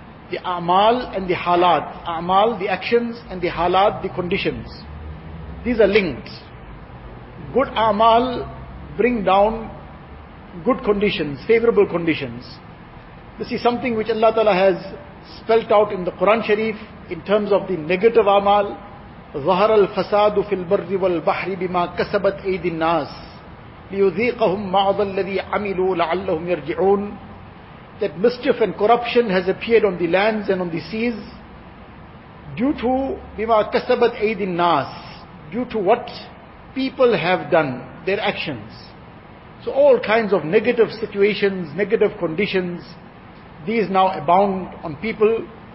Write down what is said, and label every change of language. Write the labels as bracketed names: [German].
[English] The a'mal and the halat. A'mal, the actions, and the halat, the conditions. These are linked. Good a'mal bring down good conditions, favorable conditions. This is something which Allah Ta'ala has spelt out in the Quran Sharif in terms of the negative a'mal. [Arabic] ظهر الفساد في البر والبحر بما كسبت أيدي الناس ليذيقهم بعض الذي عملوا لعلهم يرجعون. [English] that mischief and corruption has appeared on the lands and on the seas due to bima kasabat aydin nas, due to what people have done, their actions. So all kinds of negative situations, negative conditions, these now abound on people.